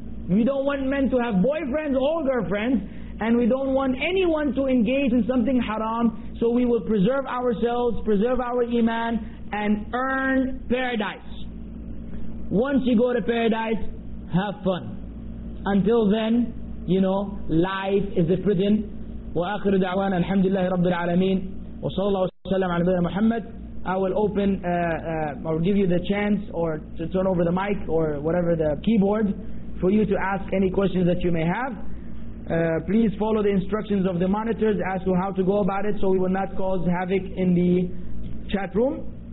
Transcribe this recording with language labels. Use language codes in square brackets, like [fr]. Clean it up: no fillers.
[en] We don't want men to have boyfriends or girlfriends, and we don't want anyone to engage in something haram, so we will preserve ourselves, preserve our iman, and earn paradise. Once you go to paradise, have fun. Until then, you know, life is a prison. [ar] وآخر دعوانا الحمد لله رب العالمين وصلى الله وسلم على نبينا محمد. [en] I will open or give you the chance or to turn over the mic or whatever the keyboard for you to ask any questions that you may have. Please follow the instructions of the monitors as to how to go about it so we will not cause havoc in the chat room.